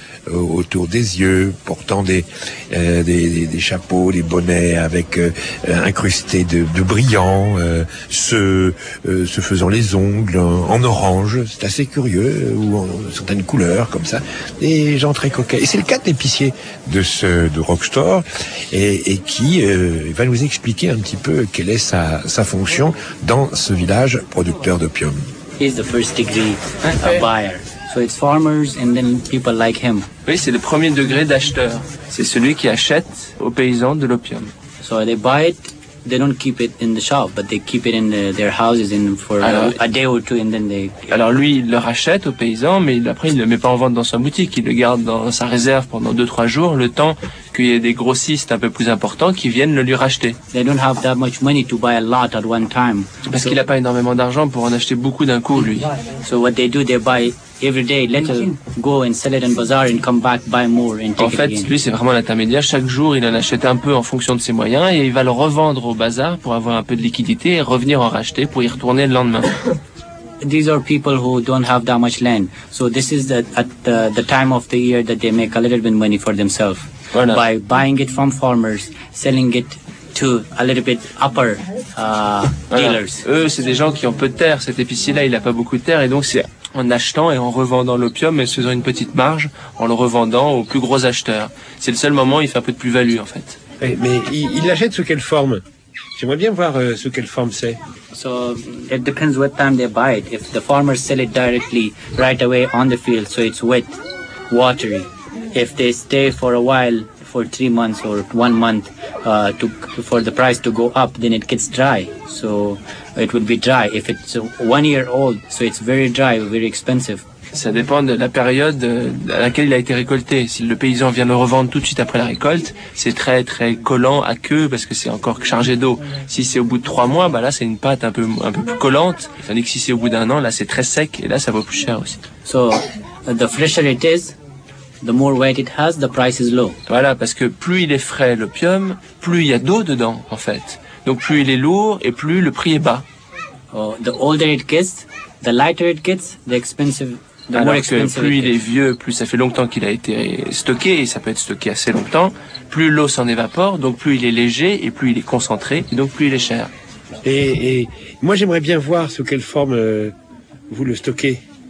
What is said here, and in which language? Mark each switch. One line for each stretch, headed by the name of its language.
French: autour des yeux, portant des chapeaux, des bonnets avec incrustés de brillants, se faisant les ongles en orange, c'est assez curieux, ou en certaines couleurs comme ça, des gens très coquets. Et c'est le cas de l'épicier de Rockstore et qui va nous expliquer un petit peu quelle est sa fonction dans ce village producteur d'opium.
English: He's the first degree buyer. So it's farmers and then people like him.
French: Oui, c'est le premier degré d'acheteur. C'est celui qui achète aux paysans de l'opium.
English: So they buy it, they don't keep it in the shop, but they keep it in their houses in for a day or two and then they...
French: Alors lui, il le rachète aux paysans, mais après il ne le met pas en vente dans sa boutique, il le garde dans sa réserve pendant 2-3 jours, le temps qu'il y ait des grossistes un peu plus importants qui viennent le lui racheter.
English: They don't have that much money to buy a lot at one time.
French: Parce qu'il n'a pas énormément d'argent pour en acheter beaucoup d'un coup, lui.
English: So what they do, they buy every day, let him go and sell it in bazaar and come back, buy more and take
French: it. En fait, lui, c'est vraiment l'intermédiaire. Chaque jour, il en achète un peu en fonction de ses moyens et il va le revendre au bazar pour avoir un peu de liquidité et revenir en racheter pour y retourner le lendemain.
English: These are people who don't have that much land. So this is at the time of the year that they make a little bit money for themselves.
French: Voilà.
English: By buying it from farmers, selling it to a little bit upper dealers.
French: Voilà. Eux, c'est des gens qui ont peu de terre. Cet épicier-là, il n'a pas beaucoup de terre et donc c'est en achetant et en revendant l'opium, mais faisant une petite marge, en le revendant aux plus gros acheteurs. C'est le seul moment où il fait un peu de plus-value, en fait. Oui, mais il l'achète sous quelle forme? J'aimerais bien voir sous quelle forme c'est.
English: So, it depends what time they buy it. If the farmers sell it directly, right away on the field, so it's wet, watery. If they stay for a while, for 3 months or 1 month, for the price to go up, then it gets dry. So it would be dry. If it's 1 year old, so it's very dry, very expensive.
French: Ça dépend de la période à laquelle il a été récolté. Si le paysan vient le revendre tout de suite après la récolte, c'est très très collant, aqueux, parce que c'est encore chargé d'eau. Si c'est au bout de 3 mois, bah là c'est une pâte un peu plus collante. Tandis que si c'est au bout d'un an, là c'est très sec et là ça vaut plus cher aussi.
English: So the fresher it is, the more weight it has, the price is low.
French: Voilà, parce que plus il est frais, l'opium, plus il y a d'eau dedans, en fait. Donc plus il est lourd et plus le prix est bas.
English: Oh, the older it gets, the lighter it gets, the expensive, the
French: alors
English: more expensive.
French: Alors que plus il est vieux, plus ça fait longtemps qu'il a été stocké, et ça peut être stocké assez longtemps, plus l'eau s'en évapore, donc plus il est léger et plus il est concentré, et donc plus il est cher. Et moi j'aimerais bien voir sous quelle forme vous le stockez.